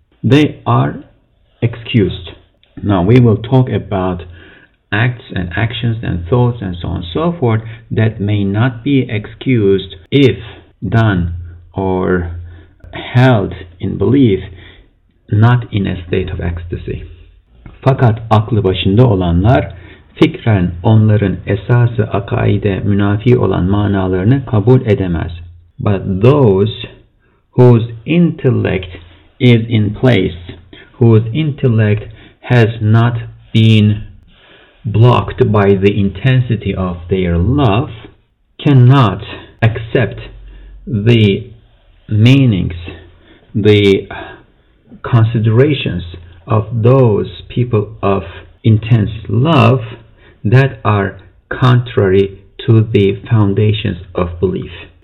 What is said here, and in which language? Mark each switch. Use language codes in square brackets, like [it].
[en] They are excused. Now we will talk about acts and actions and thoughts and so on and so forth that may not be excused if done or held in belief, not in a state of ecstasy. [tr] Fakat aklı başında olanlar fikren onların esası akaide münafi olan manalarını kabul edemez. [en] But those whose intellect is in place, whose intellect has not been blocked by the intensity of their love, cannot accept the meanings, the considerations of those people of intense love that are contrary to the foundations of belief.